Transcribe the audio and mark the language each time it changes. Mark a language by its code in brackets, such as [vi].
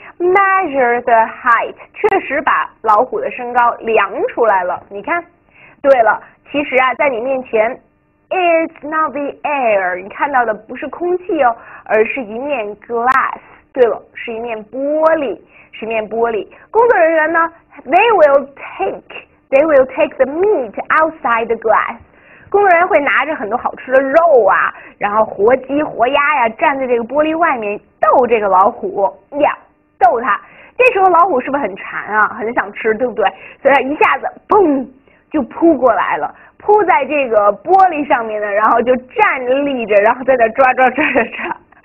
[en] Measure the height， [zh] 确实把老虎的身高量出来了。你看，对了，其实啊，在你面前， [en] it's not the air， [zh] 你看到的不是空气哦，而是一面 glass。对了，是一面玻璃，是一面玻璃。工作人员呢， [en] they will take the meat outside the glass。 [zh] 工作人员会拿着很多好吃的肉啊，然后活鸡活鸭呀，站在这个玻璃外面逗这个老虎。逗它，这时候老虎是不是很馋啊？很想吃，对不对？所以它一下子嘣就扑过来了，扑在这个玻璃上面呢，然后就站着立着，然后在那抓抓抓抓抓。